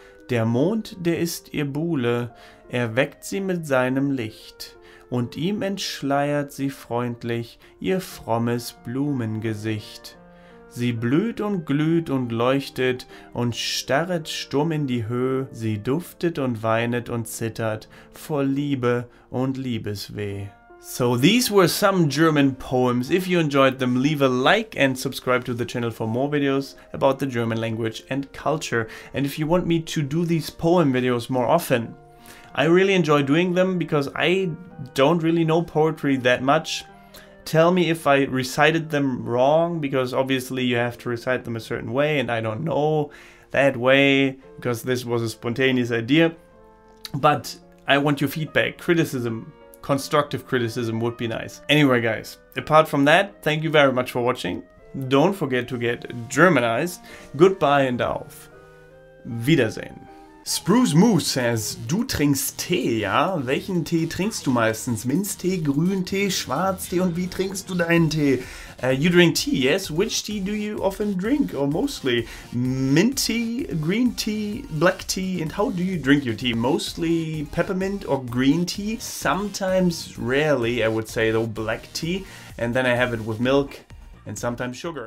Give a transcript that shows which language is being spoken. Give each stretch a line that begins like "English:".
German: Der Mond, der ist ihr Buhle, er weckt sie mit seinem Licht, und ihm entschleiert sie freundlich ihr frommes Blumengesicht. Sie blüht und glüht und leuchtet und starret stumm in die Höhe, sie duftet und weinet und zittert vor Liebe und Liebesweh.
English: So these were some German poems. If you enjoyed them, leave a like and subscribe to the channel for more videos about the German language and culture. And if you want me to do these poem videos more often, I really enjoy doing them because I don't really know poetry that much. Tell me if I recited them wrong, because obviously you have to recite them a certain way and I don't know that way because this was a spontaneous idea. But I want your feedback, criticism. Constructive criticism would be nice. Anyway, guys, apart from that, thank you very much for watching. Don't forget to get Germanized. Goodbye and
German: auf Wiedersehen. Spruce Moose says, du trinkst Tee, ja? Welchen Tee trinkst du meistens? Minztee, Grüntee, Schwarztee und wie trinkst du deinen Tee?
English: You drink tea, yes? Which tea do you often drink or mostly? Mint tea, green tea, black tea, and how do you drink your tea? Mostly peppermint or green tea? Sometimes, rarely, I would say, though, black tea. And then I have it with milk and sometimes sugar.